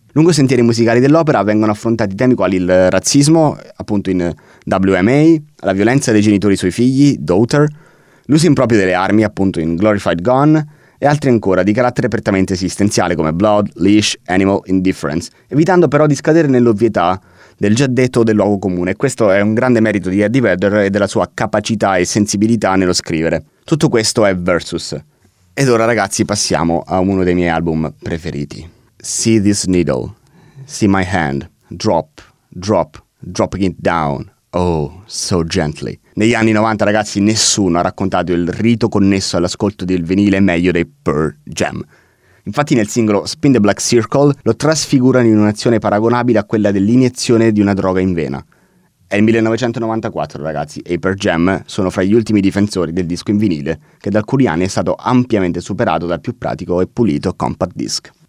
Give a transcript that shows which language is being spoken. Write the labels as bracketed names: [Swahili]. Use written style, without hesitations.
[Italian] Lungo i sentieri musicali dell'opera vengono affrontati temi quali il razzismo, appunto in WMA, la violenza dei genitori sui figli, Daughter, l'uso improprio delle armi, appunto in Glorified Gun, e altri ancora di carattere prettamente esistenziale come Blood, Leash, Animal, Indifference, evitando però di scadere nell'ovvietà del già detto del luogo comune. Questo è un grande merito di Eddie Vedder e della sua capacità e sensibilità nello scrivere. Tutto questo è Versus. Ed ora, ragazzi, passiamo a uno dei miei album preferiti. [English] See this needle, see my hand, drop, drop, dropping it down, oh, so gently. [Italian] Negli anni 90, ragazzi, nessuno ha raccontato il rito connesso all'ascolto del vinile meglio dei Pearl Jam. Infatti nel singolo Spin the Black Circle lo trasfigurano in un'azione paragonabile a quella dell'iniezione di una droga in vena. È il 1994, ragazzi, e i Pearl Jam sono fra gli ultimi difensori del disco in vinile, che da alcuni anni è stato ampiamente superato dal più pratico e pulito compact disc.